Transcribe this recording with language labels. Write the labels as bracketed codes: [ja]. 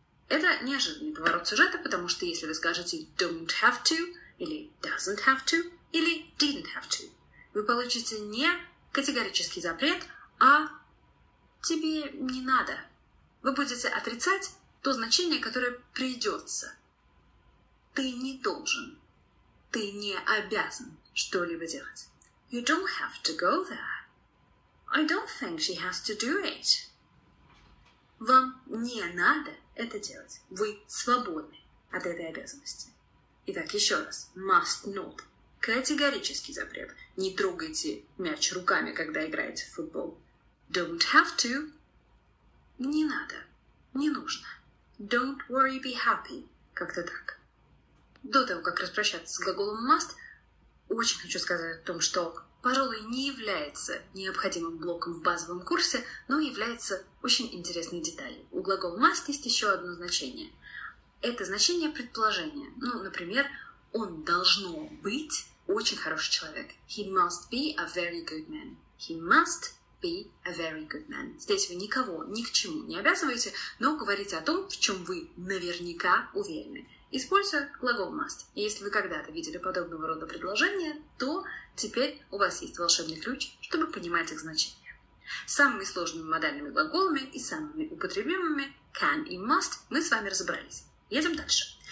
[ru] Это неожиданный поворот сюжета, потому что если вы скажете [en] don't have to, [ru] или [en] doesn't have to, [ru] или [en] didn't have to, [ru] вы получите не категорический запрет, а тебе не надо. Вы будете отрицать то значение, которое придется. Ты не должен. Ты не обязан что-либо делать. [en] You don't have to go there. I don't think she has to do it. [ru] Вам не надо это делать. Вы свободны от этой обязанности. Итак, еще раз. [en] Must not. [ru] Категорический запрет. Не трогайте мяч руками, когда играете в футбол. [en] Don't have to. [ru] Не надо. Не нужно. [en] Don't worry, be happy. [ru] Как-то так. До того, как распрощаться с глаголом must, очень хочу сказать о том, что, пожалуй, не является необходимым блоком в базовом курсе, но является очень интересной деталью. У глагола must есть еще одно значение. Это значение предположения. Ну, например, он должно быть очень хороший человек. [en] He must be a very good man. He must be a very good man. [ru] Здесь вы никого ни к чему не обязываете, но говорите о том, в чем вы наверняка уверены. Используя глагол must. И если вы когда-то видели подобного рода предложения, то теперь у вас есть волшебный ключ, чтобы понимать их значение. Самыми сложными модальными глаголами и самыми употребимыми can и must мы с вами разобрались. Едем дальше.